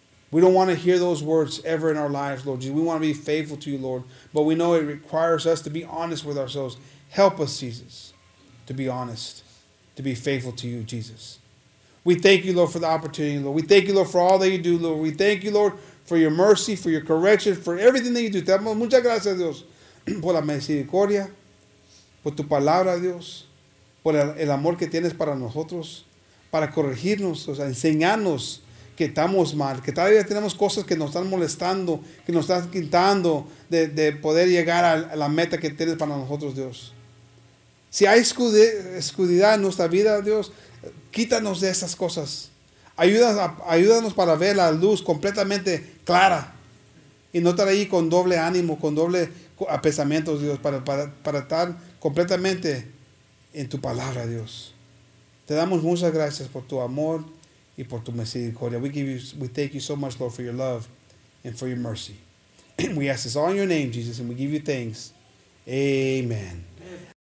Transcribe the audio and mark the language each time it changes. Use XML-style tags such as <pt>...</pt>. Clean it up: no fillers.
<en>We don't want to hear those words ever in our lives, Lord Jesus. We want to be faithful to you, Lord. But we know it requires us to be honest with ourselves. Help us, Jesus, to be honest, to be faithful to you, Jesus. We thank you, Lord, for the opportunity, Lord. We thank you, Lord, for all that you do, Lord. We thank you, Lord, for your mercy, for your correction, for everything that you do.</en> <es>Te damos muchas gracias, Dios, por la misericordia, por tu palabra, Dios, por el amor que tienes para nosotros, para corregirnos, o sea, enseñarnos que estamos mal, que todavía tenemos cosas que nos están molestando, que nos están quitando de poder llegar a la meta que tienes para nosotros, Dios. Si hay oscuridad en nuestra vida, Dios, quítanos de esas cosas. Ayúdanos para ver la luz completamente clara y no estar ahí con doble ánimo, con doble pensamiento, Dios, para estar completamente en tu palabra, Dios. Te damos muchas gracias por tu amor y por tu misericordia.</es> <en>We thank you so much, Lord, for your love and for your mercy. We ask this all in your name, Jesus, and we give you thanks. Amen.</en>